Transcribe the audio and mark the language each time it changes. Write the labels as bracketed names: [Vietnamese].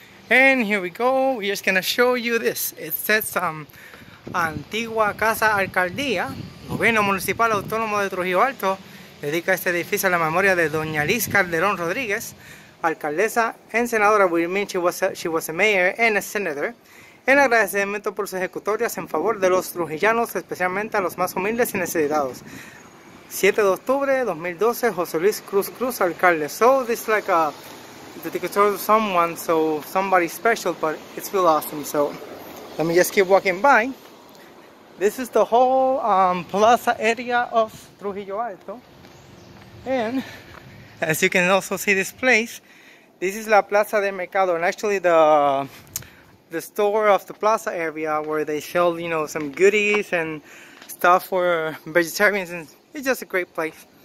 [English] And here we go, we're just gonna show you this. It says [Spanish] Antigua Casa Alcaldía, Gobierno Municipal Autónomo de Trujillo Alto, dedica este edificio a la memoria de Doña Liz Calderón Rodríguez, alcaldesa and senadora. [English] We mean she was a mayor and a senator. [Spanish] En agradecimiento por sus ejecutorias en favor de los trujillanos, especialmente a los más humildes y necesitados. 7 de octubre de 2012, José Luis Cruz Cruz, alcalde. [English] So this is like a dedicatory to someone, so somebody special, but it's real awesome. So let me just keep walking by. This is the whole plaza area of Trujillo Alto. And as you can also see this place, this is La Plaza del Mercado, and actually the store of the plaza area where they sell, you know, some goodies and stuff for vegetarians, and it's just a great place.